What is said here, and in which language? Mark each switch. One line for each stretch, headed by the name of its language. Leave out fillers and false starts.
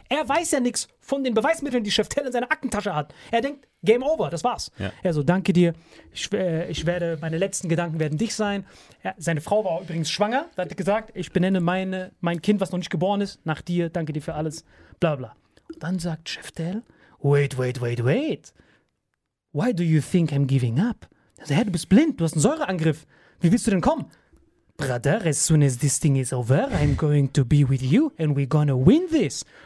German: Er weiß ja nichts von den Beweismitteln, die Schäftele in seiner Aktentasche hat. Er denkt, Game over, das war's. Ja. Er so, danke dir. Ich werde, meine letzten Gedanken werden dich sein. Seine Frau war übrigens schwanger. Er hat gesagt, ich benenne mein Kind, was noch nicht geboren ist, nach dir. Danke dir für alles. Bla bla. Und dann sagt Schäftele,
English: wait. Why do you think I'm giving up?
German: Er sagt, hey, du bist blind, du hast einen Säureangriff. Wie willst du denn kommen?
English: Brother, as soon as this thing is over, I'm going to be with you and we're gonna win this.